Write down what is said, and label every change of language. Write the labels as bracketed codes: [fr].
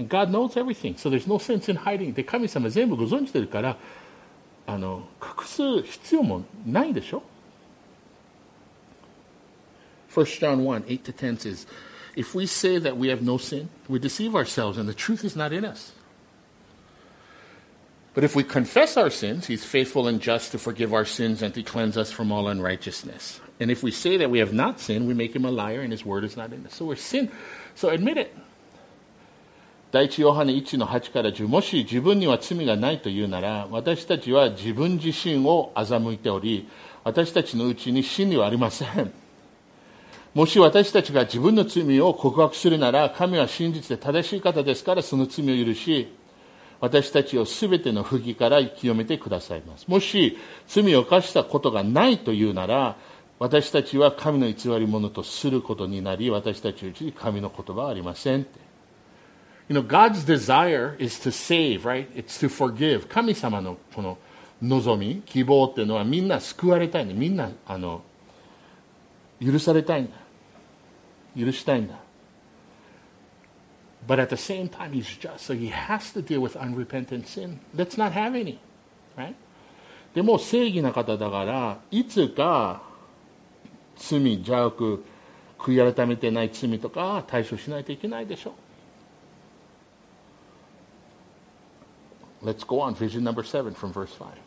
[en] And God knows everything, so there's no sense in hiding. [ja] で、神様全部ご存知てるから、隠す必要もないでしょ。 [en] 1 John 1, 8 to 10 says, If we say that we have no sin, we deceive ourselves and the truth is not in us. But if we confess our sins, he's faithful and just to forgive our sins and to cleanse us from all unrighteousness. And if we say that we have not sinned, we make him a liar and his word is not in us. So we're sin. So admit it. [ja] 第一ヨハネ1の8から10。もし自分には罪がないというなら、私たちは自分自身を欺いており、私たちのうちに真理はありません。もし私たちが自分の罪を告白するなら、神は真実で正しい方ですからその罪を許し、私たちをすべての不義から清めてくださいます。もし罪を犯したことがないというなら、私たちは神の偽り者とすることになり、私たちうちに神の言葉はありませんって。 [en] You know, God's desire is to save, right? It's to forgive. [ja] 神様のこの望み、希望っていうのはみんな救われたいんだ。みんな、許されたいんだ。許したいんだ。 [en] But at the same time, he's just. So he has to deal with unrepentant sin. Let's not have any. Right? [ja] でも正義な方だから、いつか罪、邪悪、悔い改めてない罪とか対処しないといけないでしょ。 [en] Let's go on. Vision number 7 from verse 5.